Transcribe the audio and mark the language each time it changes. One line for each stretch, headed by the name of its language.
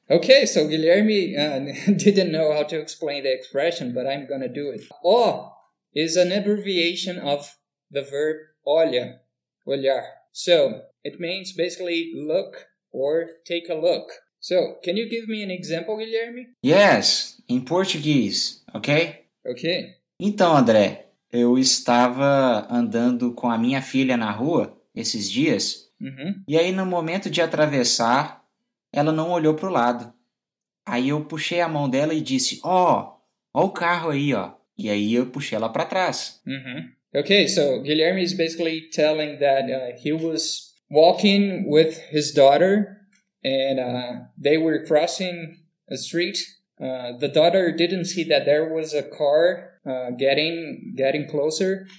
English: Okay, so Guilherme didn't know how to explain the expression, but I'm gonna do it. Awe is an abbreviation of the verb olhar. Olhar. So, it means basically look or take a look. So, can you give me an example, Guilherme? Yes, in Portuguese, ok? Ok.
Portuguese: Então, André, eu estava andando com a minha filha na rua esses dias. E aí, no momento de atravessar, ela não olhou para o lado. Aí eu puxei a mão dela e disse, ó o carro aí, ó. E aí eu puxei ela para trás.
English: Okay, so Guilherme is basically telling that he was walking with his daughter and they were crossing a street. The daughter didn't see that there was a car getting closer.